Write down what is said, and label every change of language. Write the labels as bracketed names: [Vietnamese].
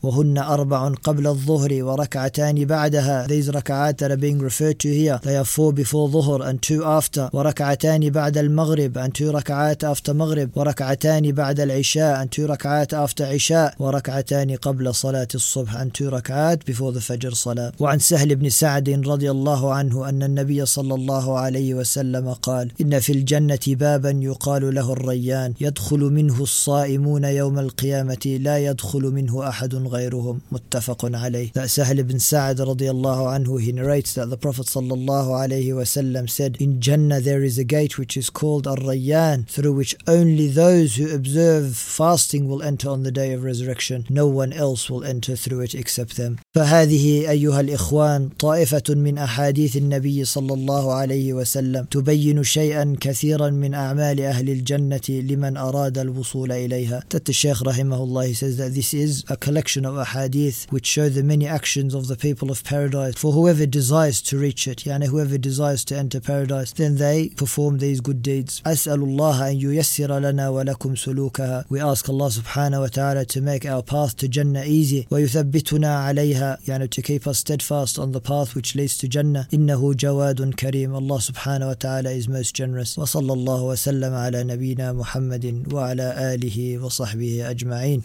[Arabic] وهن أربع قبل الظهر وركعتان بعدها, [English] these rak'at that are being referred to here, they are four before ظهر and two after, [Arabic] وركعتان بعد المغرب [English] and two rak'at after مغرب, [Arabic] وركعتان بعد العشاء [English] and two rak'at after عشاء, [Arabic] وركعتان قبل صلاة الصبح [English] and two rak'at before the فجر صلاة. [Arabic] وعن سهل بن سعد رضي الله عنه أن النبي صلى الله عليه وسلم قال إن في الجنة بابا يقال له الريان, رمضان يدخل منه الصائمون يوم القيامة لا يدخل منه أحد غيرهم متفق عليه. [English] That Sahal ibn Sa'd radiallahu anhu, he narrates that the Prophet sallallahu alayhi wa sallam said, in Jannah there is a gate which is called Ar-Rayyan, through which only those who observe fasting will enter on the day of resurrection. No one else will enter through it except them. [Arabic] فهذه أيها الإخوان طائفة من أحاديث النبي صلى الله عليه وسلم تبين شيئا كثيرا من أعمال أهل الجنة لمن أراد الوصول إليها. [English] تت [Arabic] الشيخ رحمه الله [English] says that this is a collection of ahadith which show the many actions of the people of paradise for whoever desires to reach it, [Arabic] يعني [English] whoever desires to enter paradise, then they perform these good deeds. [Arabic] أسأل الله أن ييسر لنا ولكم سلوكها. [English] We ask Allah subhanahu wa ta'ala to make our path to Jannah easy. [Arabic] ويثبتنا عليها, يعني [English] to keep us steadfast on the path which leads to Jannah. [Arabic] إنه جواد كريم. [English] Allah subhanahu wa ta'ala is most generous. [Arabic] وصلى الله وسلم على نبينا محمد وعلى آله وصحبه أجمعين.